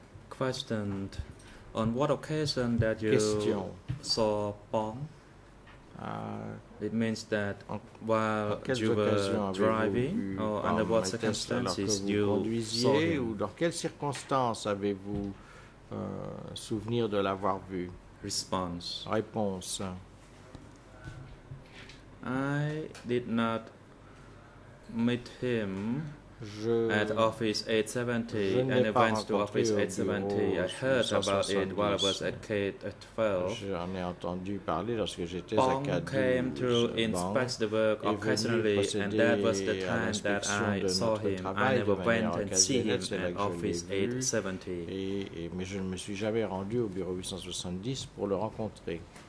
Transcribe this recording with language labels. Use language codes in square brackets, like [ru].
[en] Question. On what occasion that you [fr] question. [en] Saw Pang? It means that while you were driving, or under what circumstances you [fr] conduisiez, [en] saw him? [fr] Ou dans quelles circonstances avez-vous souvenir de l'avoir vu? [en] Response. [fr] Réponse. [en] I did not meet him at office 870, and I went to office 870. I heard about it while I was at K-12. [fr] J'en ai entendu parler lorsque j'étais [en] Pong [fr] à K-12. [en] Came to inspect the work occasionally, and that was the time that I saw him. I never went and see him at office 870. [fr] Mais je ne me suis jamais rendu au bureau 870 pour le rencontrer.